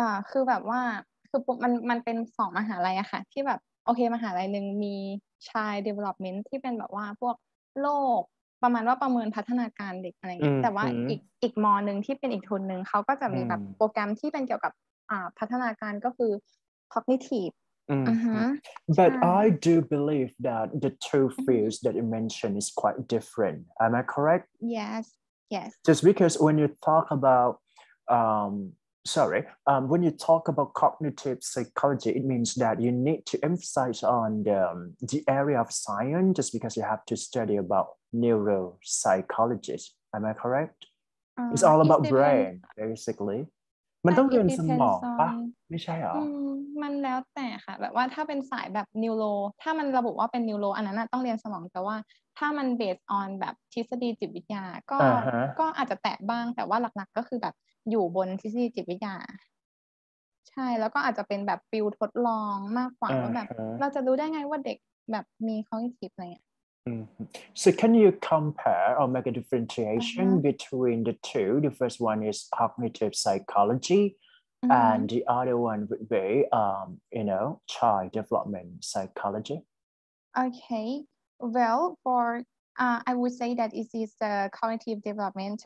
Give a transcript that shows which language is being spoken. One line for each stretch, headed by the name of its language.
Thai: คือแบบว่าคือมันเป็นสองมหาลัยอะค่ะที่แบบโอเคมหาลัยหนึ่งมี child development ที่เป็นแบบว่าพวกโลกประมาณว่าประเมินพัฒนาการเด็กอะไรเงี้ยแต่ว่าอีกมอหนึ่งที่เป็นอีกทุนหนึ่งเขาก็จะมีแบบโปรแกรมที่เป็นเกี่ยวกับพัฒนาการก็คือ cognitive
English: But I do believe that the two fields that you mentioned is quite different. Am I correct? Yes. Just because when you talk about Sorry, when you talk about cognitive psychology, it means that you need to emphasize on the area of science just because you have to study about neuropsychology. Am I correct? It's all about brain, basically.
Thai: มันต้องเรียนสมองป่ะไม่ใช่หร อมันแล้วแต่ค่ะแบบว่าถ้าเป็นสายแบบนิวโรถ้ามันระบุว่าเป็นนิวโรอันนั้นต้องเรียนสมองแต่ว่าถ้ามันเบสออนแบบทฤษฎีจิตวิทยาก็ uh-huh. ก็อาจจะแตะบ้างแต่ว่าหลักๆก็คือแบบอยู่บนทฤษฎีจิตวิทยาใช่แล้วก็อาจจะเป็นแบบฟิลทดลองมากกว่า uh-huh. แบบเราจะรู้ได้ไงว่าเด็กแบบมีคอกนิทีฟอะไรเงี้ย
English: So can you compare or make a differentiation uh-huh. between the two? The first one is cognitive psychology uh-huh. and the other one would be, you know, child development psychology. Okay, well, for, I would say that it is the cognitive development.